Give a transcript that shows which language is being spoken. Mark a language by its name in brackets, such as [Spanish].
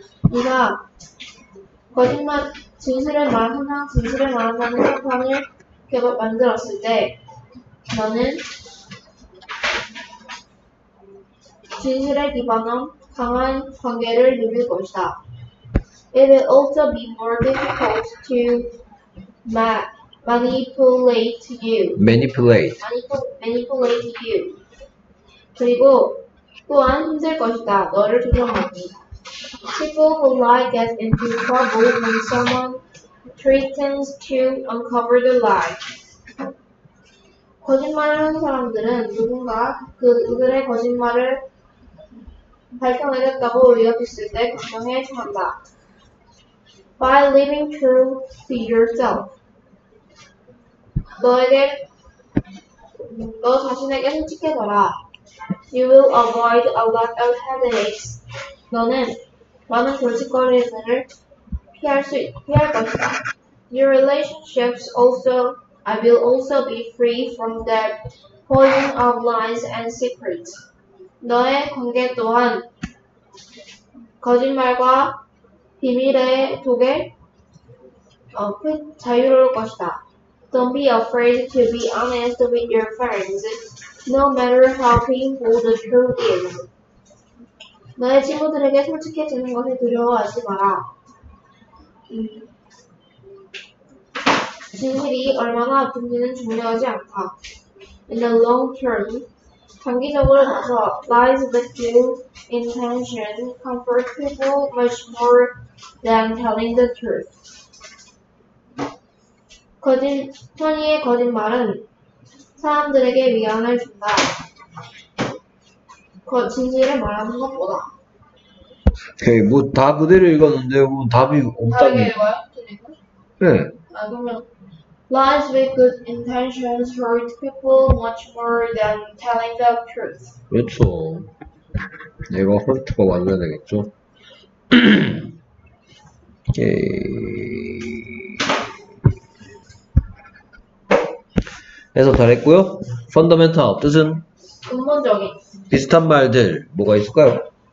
[Korean] 우리가 거짓말, 진실을 말, 항상 진실을 말한다는 상황을 계속 만들었을 때, 너는 진실에 기반한 강한 관계를 누릴 것이다. [English] It will also be more difficult to manipulate you. [Korean] 그리고 또한 힘들 것이다. 너를 조종하기. [English] People who lie get into trouble when someone threatens to uncover the lie. [Korean] 거짓말을 하는 사람들은 누군가 그들의 거짓말을 밝혀내겠다고 위협했을 때 걱정해 한다. [English] By living true to yourself. [Korean] 너 자신에게 솔직해져라. [English] You will avoid a lot of headaches. [Korean] 너는 많은 골칫거리들을 피할 것이다. [English] Your relationships will also be free from the poison of lies and secrets. [Korean] 너의 관계 또한 거짓말과 비밀의 독에 자유로울 것이다. [English] Don't be afraid to be honest with your friends, no matter how painful the truth is. [Korean] 너의 친구들에게 솔직해지는 것에 두려워하지 마라. 진실이 얼마나 아픈지는 중요하지 않다. [English] In the long term, [Korean] 장기적으로 봐서 [English] lies with good intention comfort people much more than telling the truth. [Korean] 편의의 거짓말은 사람들에게 위안을 준다. 진실을 말하는 것보다. 오케이, 뭐 다 그대로 읽었는데 뭐 답이 없다고. 다 읽어요? 네. 그러면 [English] lies with good intentions hurt people much more than telling the truth. [Korean] 그렇죠. 내가 헐트가 맞아야 되겠죠. 오케이. 해석 잘했고요. 펀더멘탈 뜻은? 근본적인. 비슷한 말들 뭐가 있을까요?